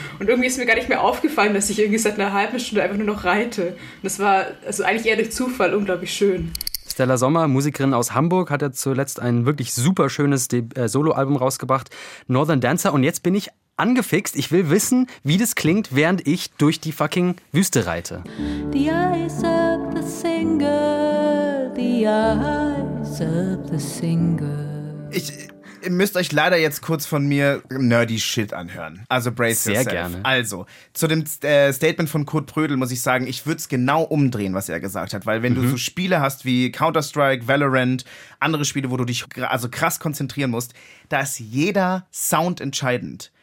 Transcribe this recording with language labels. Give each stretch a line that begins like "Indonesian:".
German: Und irgendwie ist mir gar nicht mehr aufgefallen, dass ich irgendwie seit einer halben Stunde einfach nur noch reite. Und das war also eigentlich eher durch Zufall unglaublich schön. Stella Sommer, Musikerin aus Hamburg, hat ja zuletzt ein wirklich super schönes Solo-Album rausgebracht, Northern Dancer. Und jetzt bin ich angefixt. Ich will wissen, wie das klingt, während ich durch die fucking Wüste reite.
English: The eyes of the singer, the eyes of the singer.
German: Ihr müsst euch leider jetzt kurz von mir
English: nerdy shit
German: anhören. Also
English: brace yourself.
German: Sehr gerne. Also, zu dem Statement von Kurt Prödel muss ich sagen, ich würde es genau umdrehen, was er gesagt hat. Weil wenn du so Spiele hast wie Counter-Strike, Valorant, andere Spiele, wo du dich also krass konzentrieren musst, da ist jeder Sound entscheidend.